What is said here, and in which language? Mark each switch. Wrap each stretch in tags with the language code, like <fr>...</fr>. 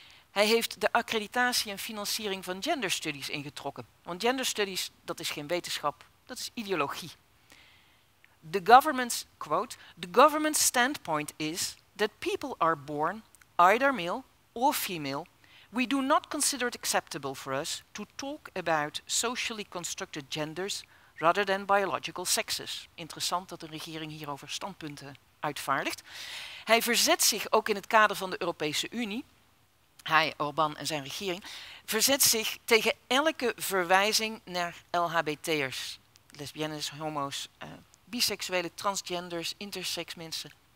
<nl>Hij heeft de accreditatie en financiering van gender studies ingetrokken. Want gender studies, dat is geen wetenschap, dat is ideologie.</nl> <en>The government's, quote, the government's standpoint is that people are born either male or female, we do not consider it acceptable for us to talk about socially constructed genders rather than biological sexes.</en> <nl>Interessant dat de regering hierover standpunten uitvaardigt. Hij verzet zich ook in het kader van de Europese Unie, hij, Orbán en zijn regering, verzet zich tegen elke verwijzing naar LHBT'ers, lesbiennes, homo's, biseksuele, transgenders, intersex mensen.</nl>